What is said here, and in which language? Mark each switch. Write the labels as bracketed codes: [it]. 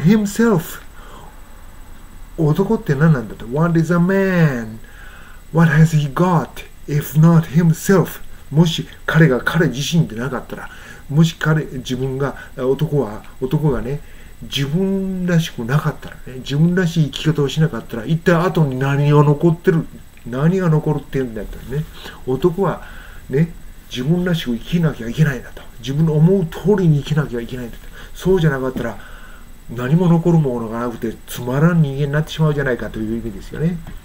[en] If not himself. [ja] 男って何なんだと。 [en] What is a man? What has he got if not himself? [ja] もし彼が彼自身でなかったら、もし彼自分が男がね、自分らしくなかったらね、自分らしい生き方をしなかったら、一体後に何が残るっていうんだったらね、男はね、自分らしく生きなきゃいけないんだと、自分の思う通りに生きなきゃいけないんだと、そうじゃなかったら何も残るものがなくてつまらん人間になってしまうじゃないかという意味ですよね。